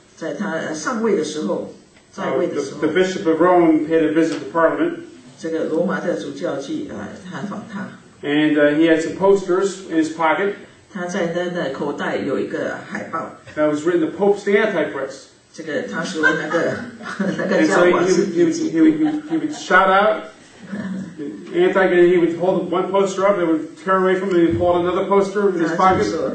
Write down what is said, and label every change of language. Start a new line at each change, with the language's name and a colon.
Chinese: 在他上位的时候, 在位的时候,
English: the Bishop of Rome paid a visit to Parliament,
Chinese: 这个罗马的主教去,
English: and he had some posters in his pocket
Chinese: 他在那个口袋有一个海报,
English: that was written, the Pope's the Antichrist.
Chinese: 这个他说那个,
English: and so he would shout out, he would hold one poster up, they would tear away from him, and he'd pull out another poster in his pocket.